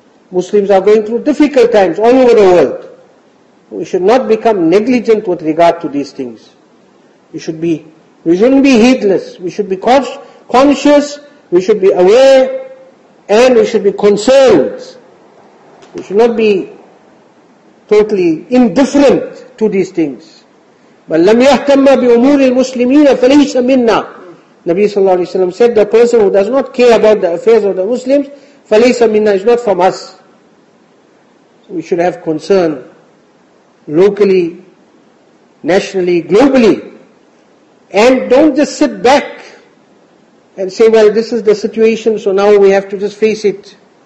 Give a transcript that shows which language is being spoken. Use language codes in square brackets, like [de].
[en] Muslims are going through difficult times all over the world. We should not become negligent with regard to these things. We shouldn't be heedless. We should be conscious, we should be aware, and we should be concerned. We should not be totally indifferent to these things. But [ar] لَمْ يَهْتَمَّ بِأُمُورِ الْمُسْلِمِينَ فَلَيْسَ مِنَّا. [en] Nabi sallallahu alayhi wa sallam said, the person who does not care about the affairs of the Muslims, [ar] فَلَيْسَ مِنَّا, [en] is not from us. So we should have concern locally, nationally, globally. And don't just sit back and say, well, this is the situation, so now we have to just face it.